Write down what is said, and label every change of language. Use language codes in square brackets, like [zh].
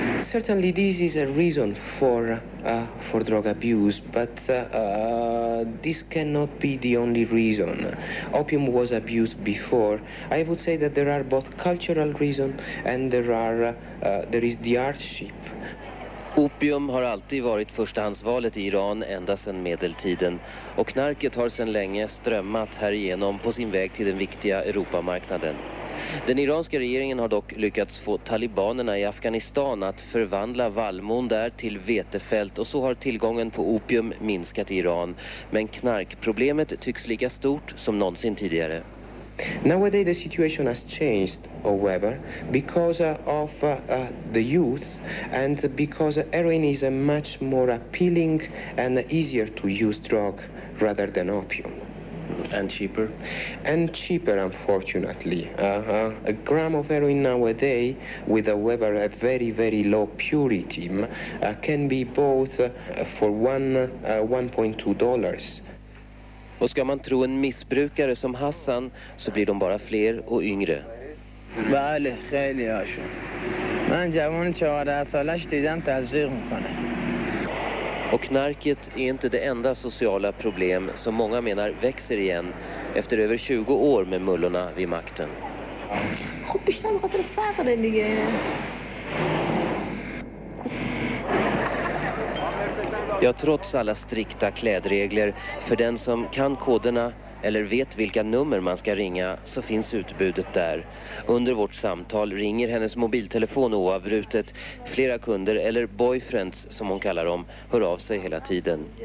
[en] Certainly this is a reason for drug abuse, but this cannot be the only reason. Opium was abused before. I would say that there are both cultural reasons and there is the hardship. [sv] Opium har alltid varit förstahandsvalet i Iran ända sedan medeltiden. Och knarket har sedan länge strömmat härigenom på sin väg till den viktiga Europamarknaden. Den iranska regeringen har dock lyckats få talibanerna i Afghanistan att förvandla vallmon där till vetefält och så har tillgången på opium minskat i Iran. Men knarkproblemet tycks lika stort som någonsin tidigare. [en] Nowadays the situation has changed, however, because the youth and because heroin is a much more appealing and easier to use drug rather than opium. And cheaper? And cheaper, unfortunately. A gram of heroin nowadays, with however a very, very low purity, can be bought for $1.2. [sv] Och ska man tro en missbrukare som Hassan så blir de bara fler och yngre. [fa] Bale, خیلی عاشو. من جوان 14 سالش دیدم تزریق میکنه. [sv] Och knarket är inte det enda sociala problem som många menar växer igen efter över 20 år med mullorna vid makten. [fa] خب بیشتر به خاطر فقر دیگه. [sv] Ja, trots alla strikta klädregler, för den som kan koderna eller vet vilka nummer man ska ringa så finns utbudet där. Under vårt samtal ringer hennes mobiltelefon oavbrutet. Flera kunder eller boyfriends som hon kallar dem hör av sig hela tiden.